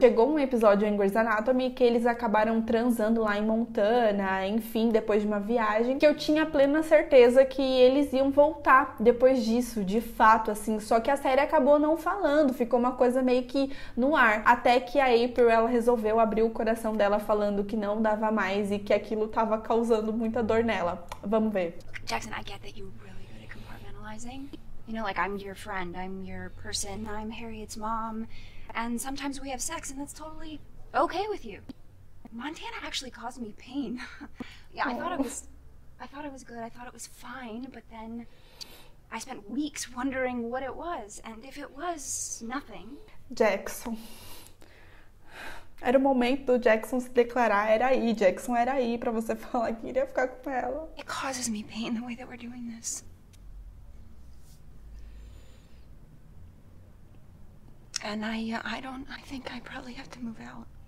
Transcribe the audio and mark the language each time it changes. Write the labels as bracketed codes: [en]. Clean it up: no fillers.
[pt] Chegou um episódio em Grey's Anatomy que eles acabaram transando lá em Montana, enfim, depois de uma viagem, que eu tinha plena certeza que eles iam voltar depois disso, de fato, assim, só que a série acabou não falando, ficou uma coisa meio que no ar, até que a April, ela resolveu abrir o coração dela falando que não dava mais e que aquilo tava causando muita dor nela. Vamos ver. [en] Jackson, I get that you're really good at compartmentalizing. You know, like, I'm your friend, I'm your person, I'm Harriet's mom, and sometimes we have sex, and that's totally okay with you. Montana actually caused me pain. Yeah, I thought it was good, I thought it was fine, but then I spent weeks wondering what it was, and if it was nothing. Jackson. [pt] Era o momento do Jackson se declarar, era aí, Jackson, era aí pra você falar que iria ficar com ela. [en] It causes me pain the way that we're doing this. And I think I probably have to move out.